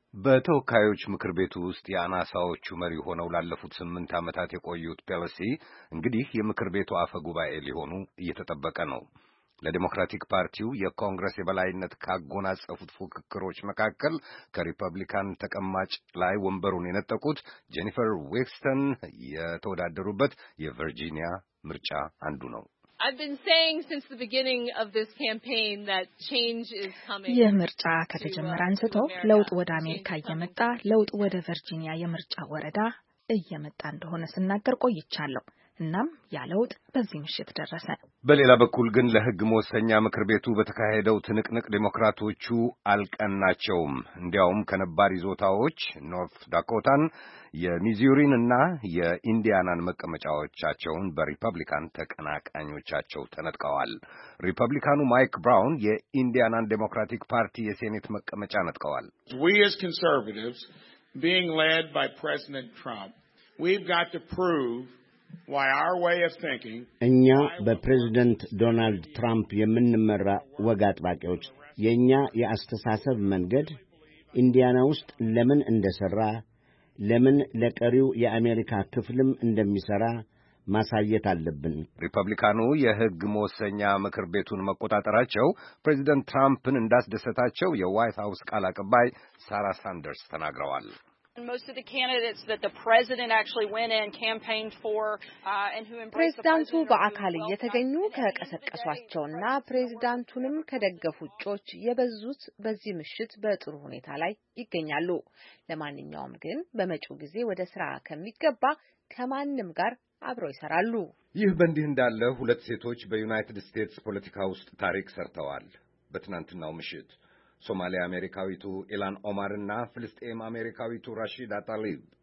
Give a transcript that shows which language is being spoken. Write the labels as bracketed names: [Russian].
[Amharic] በተወካዮች ምክር ቤቱ ውስጥ ያናሳዎቹ መሪ ሆነው ላለፉት 8 ዓመታት የቆዩት ፔሎሲ እንግዲህ የምክር ቤቱ አፈ ጉባኤ ሊሆኑ እየተጠበቀ ነው። ለዲሞክራቲክ ፓርቲው የኮንግረስ የበላይነት ካጎናጸፉት ፉክክሮች መካከል ከሪፐብሊካን ተቀማጭ ላይ ወንበሩን የነጠቁት ጄኒፈር ዌክስተን የተወዳደሩበት የቨርጂኒያ ምርጫ አንዱ ነው። [English] I've been saying since the beginning of this campaign that change is coming. [Amharic] የምርጫ ከተጀመረ አንስቶ ለውጥ ወደ አሜሪካ እየመጣ ለውጥ ወደ ቨርጂኒያ የምርጫ ወረዳ እየመጣ እንደሆነ ስናገር ቆይቻለሁ። እናም ያ ለውጥ በዚህ ምሽት ደረሰ። በሌላ በኩል ግን ለሕግ መወሰኛ ምክር ቤቱ በተካሄደው ትንቅንቅ ዲሞክራቶቹ አልቀናቸውም። እንዲያውም ከነባር ይዞታዎች ኖርዝ ዳኮታን፣ የሚዙሪን እና የኢንዲያናን መቀመጫዎቻቸውን በሪፐብሊካን ተቀናቃኞቻቸው ተነጥቀዋል። ሪፐብሊካኑ ማይክ ብራውን የኢንዲያናን ዴሞክራቲክ ፓርቲ የሴኔት መቀመጫ ነጥቀዋል። [English] We as conservatives being led by President Trump, we've got to prove why our way of thinking [Amharic] እኛ በፕሬዝዳንት ዶናልድ ትራምፕ የምንመራ ወግ አጥባቂዎች የኛ የአስተሳሰብ መንገድ ኢንዲያና ውስጥ ለምን እንደሰራ ለምን ለቀሪው የአሜሪካ ክፍልም እንደሚሰራ ማሳየት አለብን። ሪፐብሊካኑ የሕግ መወሰኛ ምክር ቤቱን መቆጣጣራቸው ፕሬዝዳንት ትራምፕን እንዳስደሰታቸው የዋይት ሃውስ ቃል አቀባይ ሳራ ሳንደርስ ተናግረዋል። [English] Most of the candidates that the president actually went and campaigned for and who embraced [Amharic] ፕሬዝዳንቱ በአካል የተገኙ ከቀሰቀሷቸውና ፕሬዝዳንቱንም ከደገፉ ጮች የበዙት በዚህ ምሽት በጥሩ ሁኔታ ላይ ይገኛሉ። ለማንኛውም ግን በመጪው ጊዜ ወደ ሥራ ከመገባ ከማንም ጋር አብሮ ይሰራሉ። ይህ በእንዲህ እንዳለ ሁለት ሴቶች በዩናይትድ ስቴትስ ፖለቲካ ውስጥ ታሪክ ሰርተዋል። በትናንትናው ምሽት ሶማሊያ አሜሪካዊቱ ኢላን ኦማር እና ፍልስጤም አሜሪካዊቱ ራሺዳ ታሊብ።